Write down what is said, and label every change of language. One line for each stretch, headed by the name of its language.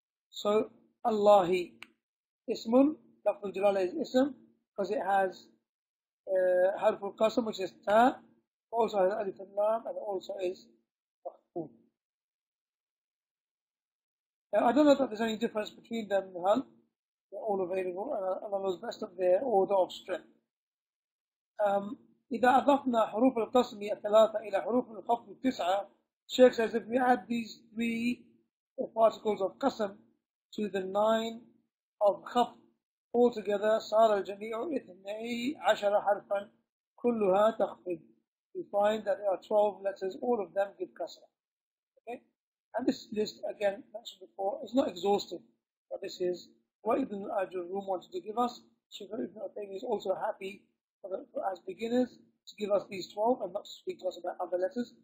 English: So Allahi ismun, لفظ الجلالة is ism, because it has حرف القسم, which is ta, also has alif and lam, and also is. Now, I don't know that there's any difference between them, Nihal. They're all available, and Allah knows best of their order of strength.
Arabic: إذا أضفنا حروف القسم الثلاثة إلى حروف الخفض التسعة,
English: Shaykh says, if we add these three particles of قسم to the nine of خفض all together,
Arabic: صار الجميع إثني عشر حرفا كلها تخفض.
English: We find that there are 12 letters, all of them give قسم. And this list, again, mentioned before, is not exhaustive. But this is what Ibn Aajrum wanted to give us. Shaykh Ibn Uthaymeen is also happy for as beginners to give us these 12 and not to speak to us about other letters.